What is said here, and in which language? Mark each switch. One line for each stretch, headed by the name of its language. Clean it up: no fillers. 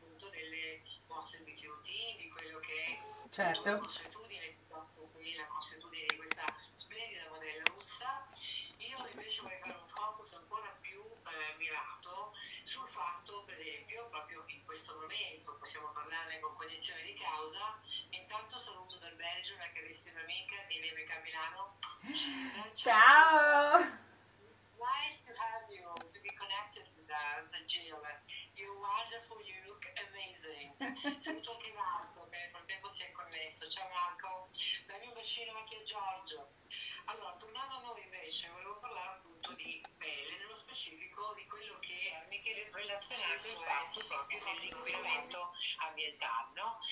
Italian: di quello che è appunto la consuetudine, tanto qui la consuetudine di questa splendida modella russa. Io invece vorrei fare un focus ancora più mirato sul fatto, per esempio, proprio in questo momento possiamo parlarne con cognizione di causa. Intanto saluto dal Belgio una carissima amica di Neve Camilano. Ciao, ciao. Ciao!
English: Nice to have you, to be connected with us, Jill. You're wonderful, you look amazing.
Italian: Saluto anche Marco, che nel frattempo si è connesso. Ciao Marco, dai mio bacino anche a Giorgio. Allora, tornando a noi invece, volevo parlare appunto di pelle, nello specifico di quello che è relazionato al fatto proprio dell'inquinamento ambientale, no?